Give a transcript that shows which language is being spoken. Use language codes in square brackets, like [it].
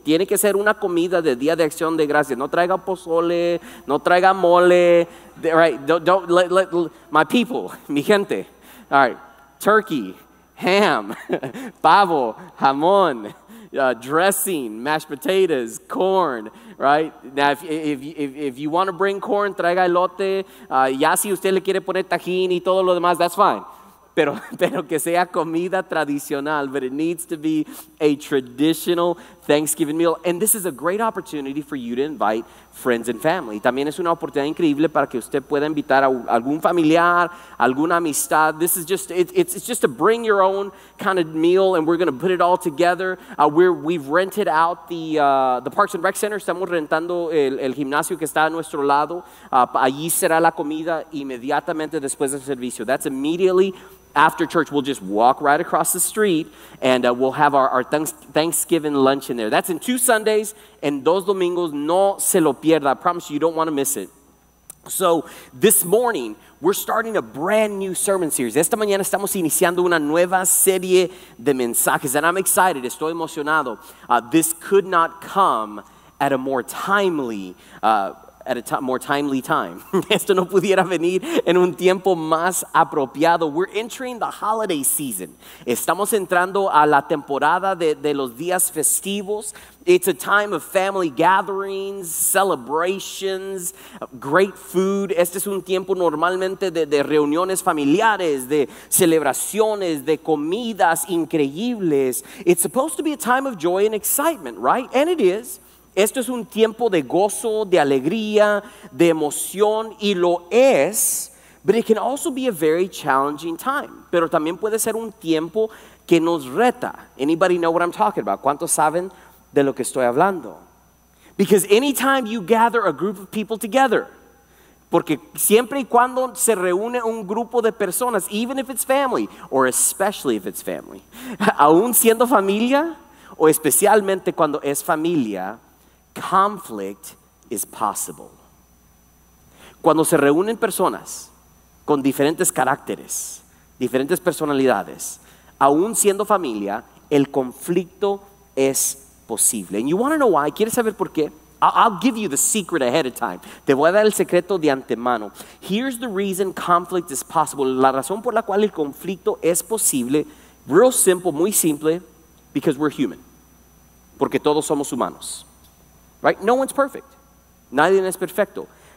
[es] Tiene que ser una comida de Día de Acción de Gracias. No traiga pozole, no traiga mole. [en] All right, don't let my people, [es] mi gente. [en] All right, turkey, ham, [es] pavo, jamón. [en] Dressing, mashed potatoes, corn, right? Now, if you want to bring corn, [es] traiga elote. Ya si usted le quiere poner tajín y todo lo demás, [en] that's fine. [es] Pero que sea comida tradicional, [en] but it needs to be a traditional Thanksgiving meal. And this is a great opportunity for you to invite friends and family. [es] También es una oportunidad increíble para que usted pueda invitar a algún familiar, alguna amistad. [en] This is just, it's just a bring your own kind of meal, and we're going to put it all together. We've rented out the Parks and Rec Center. [es] Estamos rentando el gimnasio que está a nuestro lado. Allí será la comida inmediatamente después del servicio. [en] That's immediately after church. We'll just walk right across the street, and we'll have our Thanksgiving lunch in there. That's in two Sundays and [es] dos domingos. No se lo pierda. [en] I promise you, you don't want to miss it. So this morning, we're starting a brand new sermon series. [es] Esta mañana estamos iniciando una nueva serie de mensajes, [en] and I'm excited. [es] Estoy emocionado. [en] This could not come at a more timely time. [es] Esto no pudiera venir en un tiempo más apropiado. [en] We're entering the holiday season. [es] Estamos entrando a la temporada de los días festivos. [en] It's a time of family gatherings, celebrations, great food. [es] Este es un tiempo normalmente de reuniones familiares, de celebraciones, de comidas increíbles. [en] It's supposed to be a time of joy and excitement, right? And it is. [es] Esto es un tiempo de gozo, de alegría, de emoción, y lo es, [en] but it can also be a very challenging time. [es] Pero también puede ser un tiempo que nos reta. [en] Anybody know what I'm talking about? [es] ¿Cuántos saben de lo que estoy hablando? [en] Because anytime you gather a group of people together, [es] porque siempre y cuando se reúne un grupo de personas, [en] even if it's family, or especially if it's family, [es] aún siendo familia, o especialmente cuando es familia, [en] conflict is possible. [es] Cuando se reúnen personas con diferentes caracteres, diferentes personalidades, aún siendo familia, el conflicto es posible. [en] And you want to know why? [es] ¿Quieres saber por qué? [en] I'll give you the secret ahead of time. [es] Te voy a dar el secreto de antemano. [en] Here's the reason conflict is possible. [es] La razón por la cual el conflicto es posible, [en] real simple, [es] muy simple, [en] because we're human. [es] Porque todos somos humanos. [en] Right? No one's perfect. [es] Nadie es perfecto.